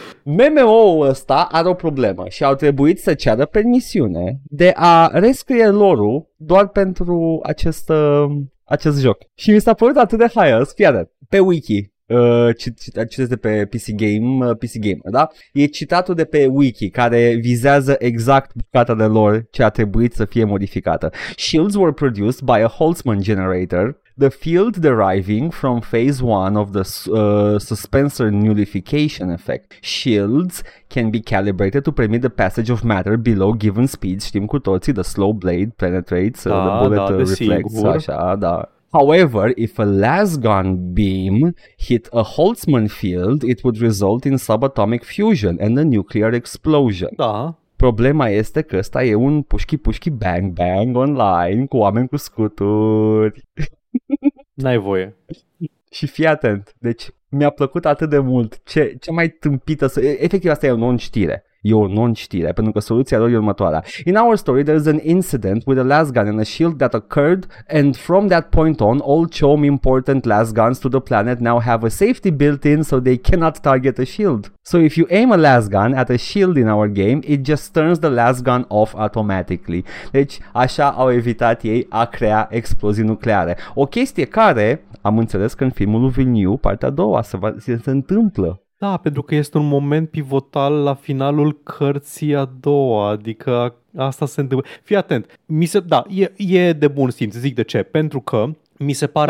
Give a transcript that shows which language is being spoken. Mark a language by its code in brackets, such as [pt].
[ro] MMO-ul ăsta are o problemă și au trebuit să ceară permisiune de a rescrie lore-ul doar pentru acest joc. Și mi s-a părut atât de haios, fii atent. Pe wiki, citesc de pe PC Gamer, da? E citatul de pe wiki, care vizează exact bucata de lore ce a trebuit să fie modificată. [en] Shields were produced by a Holtzman generator, the field deriving from phase 1 of the suspensor nullification effect. Shields can be calibrated to permit the passage of matter below given speeds. [ro] Știm cu toții, [en] the slow blade penetrates, [ro] da, [en] the bullet reflects, [ro] sigur. Așa, da. [en] However, if a Lasgun beam hit a Holtzman field, it would result in subatomic fusion and a nuclear explosion. [ro] Da. Problema este că ăsta e un pușchi-pușchi bang-bang online cu oameni cu scuturi. N-ai voie. Și fii atent. Deci, mi-a plăcut atât de mult. Ce mai tâmpită să... Efectiv, asta e o non-știre. E o non-știre, pentru că soluția lor e următoarea. [en] In our story, there is an incident with a lasgun and a shield that occurred, and from that point on, all CHOM important lasguns to the planet now have a safety built in so they cannot target a shield. So if you aim a lasgun at a shield in our game, it just turns the lasgun off automatically. [ro] Deci, așa au evitat ei a crea explozii nucleare. O chestie care, am înțeles că în filmul lui Villeneuve, partea a doua, se întâmplă. Da, pentru că este un moment pivotal la finalul cărții a doua, adică asta se întâmplă. Fii atent, e de bun simț, zic de ce, pentru că mi se pare